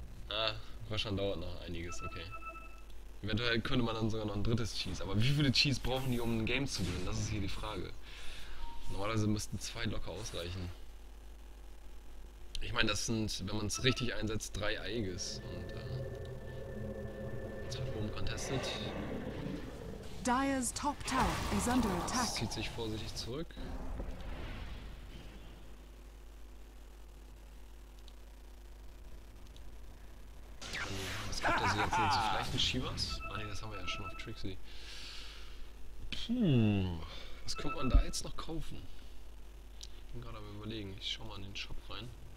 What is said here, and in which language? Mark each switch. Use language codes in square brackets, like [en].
[de] Ah, wahrscheinlich dauert noch einiges, okay. Eventuell könnte man dann sogar noch ein drittes Cheese, aber wie viele Cheese brauchen die, um ein Game zu gewinnen? Das ist hier die Frage. Normalerweise müssten zwei locker ausreichen. Ich meine, das sind, wenn man es richtig einsetzt, drei Aegis. Und jetzt wird oben contested. [en] Dire's Top Tower is under attack. [de] Das zieht sich vorsichtig zurück. Gibt also jetzt vielleicht einen Shivas? Ah ne, das haben wir ja schon auf Trixie. Was könnte man da jetzt noch kaufen? Ich bin gerade am überlegen, ich schau mal in den Shop rein.